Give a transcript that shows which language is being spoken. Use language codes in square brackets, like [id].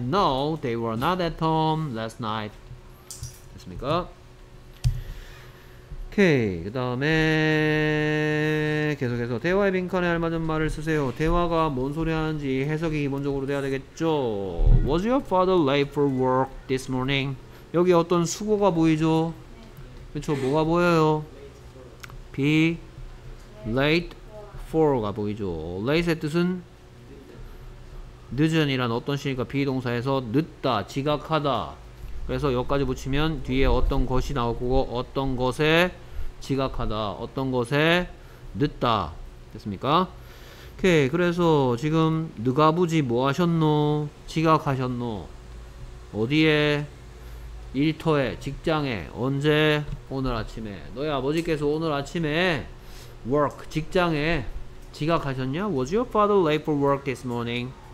[en] No, they were not at home last night. [ko] 됐습니까? 오케이. 그 다음에 계속해서 대화의 빈칸에 알맞은 말을 쓰세요. 대화가 뭔 소리 하는지 해석이 기본적으로 돼야 되겠죠. [en] Was your father late for work this morning? [ko] 여기 어떤 수고가 보이죠? 그렇죠. 뭐가 보여요? [en] Be late for [ko] 가 보이죠. Late의 뜻은 늦은이란 어떤 시니까 비동사에서 늦다, 지각하다. 그래서 여기까지 붙이면 뒤에 어떤 것이 나오고 어떤 것에 지각하다, 어떤 것에 늦다. 됐습니까? 오케이. 그래서 지금 느가부지 뭐 하셨노? 지각하셨노? 어디에? 일터에, 직장에, 언제? 오늘 아침에. 너희 아버지께서 오늘 아침에 work, 직장에 지각하셨냐? [en] Was your father late for work this morning?